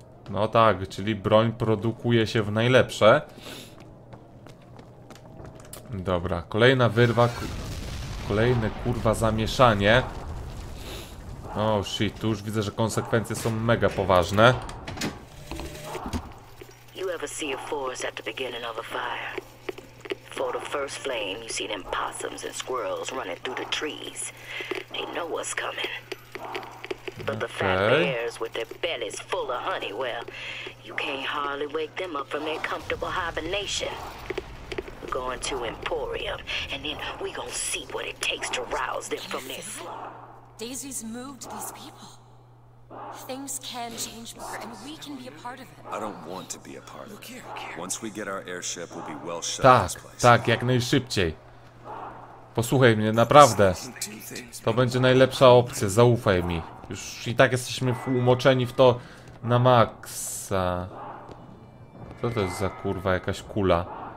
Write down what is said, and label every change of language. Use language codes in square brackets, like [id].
[pl] No tak, czyli broń produkuje się w najlepsze. Dobra, kolejna wyrwa, kolejne kurwa zamieszanie. O, shit, tu już widzę, że konsekwencje są mega poważne. [en] You ever see a forest at the beginning of a fire? For the first flame, you see them possums and squirrels running through the trees. They know what's coming. But the fat bears with their bellies full of honey, well, you can't hardly wake them up from their comfortable hibernation. We're going to Emporium, and then we gonna see what it takes to rouse them from their slumber. Daisy's moved these people. Things can change, Parker, and we can be a part of it. I don't want to be a part of it. Once we get our airship, we'll be well shut in this place. [pl] Tak, jak najszybciej. Posłuchaj mnie, naprawdę. To będzie najlepsza opcja, zaufaj mi. Już i tak jesteśmy umoczeni w to na maksa. Co to jest za kurwa jakaś kula?